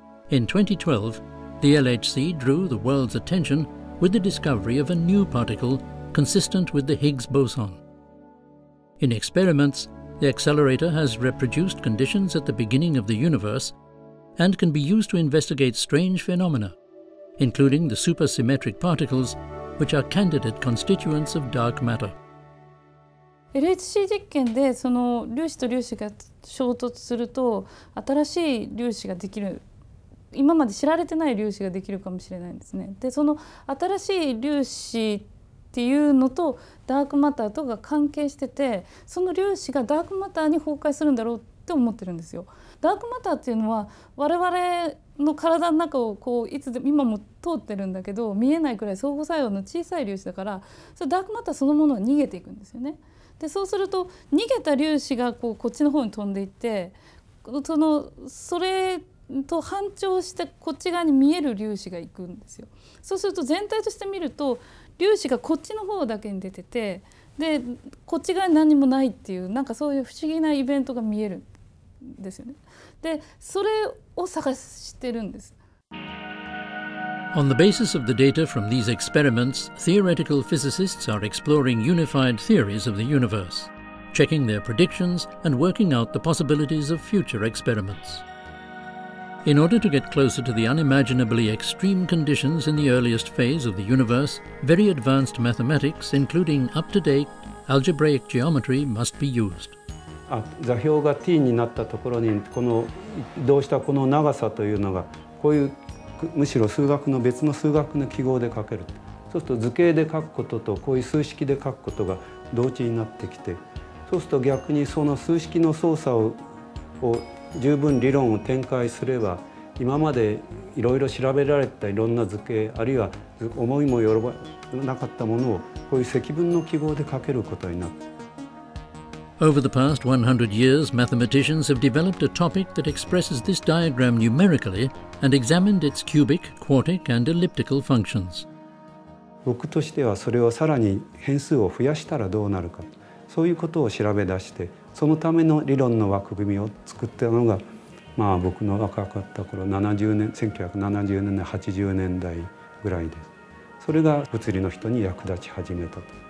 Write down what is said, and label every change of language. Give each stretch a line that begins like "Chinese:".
English: In 2012, the LHC drew the world's attention with the discovery of a new particle consistent with the Higgs boson. In experiments, the accelerator has reproduced conditions at the beginning of the universe and can be used to investigate strange phenomena, including the supersymmetric particles, which are candidate constituents of dark matter.
Japanese: LHC 実験でその粒子と粒子が衝突すると新しい粒子ができる、今まで知られてない粒子ができるかもしれないんですね。で、その新しい粒子っていうのとダークマターとが関係してて、その粒子がダークマターに崩壊するんだろうって思ってるんですよ。ダークマターっていうのは我々の体の中をこういつでも今も通ってるんだけど見えないくらい相互作用の小さい粒子だから、それダークマターそのものは逃げていくんですよね。でそうすると逃げた粒子が こっちの方に飛んでいって、そのそれと反調してこっち側に見える粒子が行くんですよ。そうすると全体として見ると粒子がこっちの方だけに出てて、でこっち側に何もないっていう、なんかそういう不思議なイベントが見えるんですよね。で、それを探してるんです。
English: On the basis of the data from these experiments, theoretical physicists are exploring unified theories of the universe, checking their predictions and working out the possibilities of future experiments. In order to get closer to the unimaginably extreme conditions in the earliest phase of the universe, very advanced mathematics, including up-to-date algebraic geometry, must be used.
Japanese: 座標が t になったところにこの移動したこの長さというのがこういうむしろ数学の別の数学の記号で書ける。そうすると図形で書くこととこういう数式で書くことが同時になってきて、そうすると逆にその数式の操作を十分理論を展開すれば今までいろいろ調べられたいろんな図形あるいは思いもよらなかったものをこういう積分の記号で書けることになる。
English: Over the past 100 years, mathematicians have developed a topic that expresses this diagram numerically and examined its cubic, quartic, and elliptical functions.
Japanese: 僕としてはそれをさらに変数を増やしたらどうなるか、そういうことを調べ出して、そのための理論の枠組みを作ったのが、まあ僕の若かった頃、1970年代、80年代ぐらいです。それが物理の人に役立ち始めたと。